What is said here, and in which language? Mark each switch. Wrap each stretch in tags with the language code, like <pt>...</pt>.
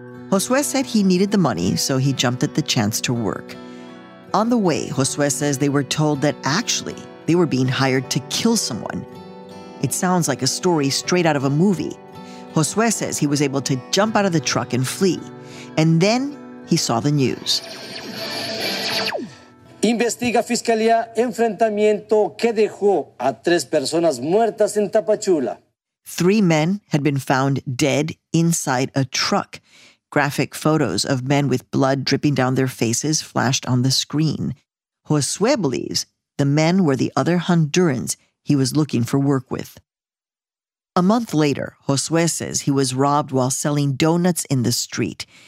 <en>Josue said he needed the money, so he jumped at the chance to work. On the way, Josue says they were told that actually they were being hired to kill someone. It sounds like a story straight out of a movie. Josue says he was able to jump out of the truck and flee. And then he saw the news.</en> <es>Investiga Fiscalía enfrentamiento que dejó a tres personas muertas en Tapachula.</es> <en>Three men had been found dead inside a truck. Graphic photos of men with blood dripping down their faces flashed on the screen. Josue believes the men were the other Hondurans he was looking for work with. A month later, Josue says he was robbed while selling donuts in the street.</en>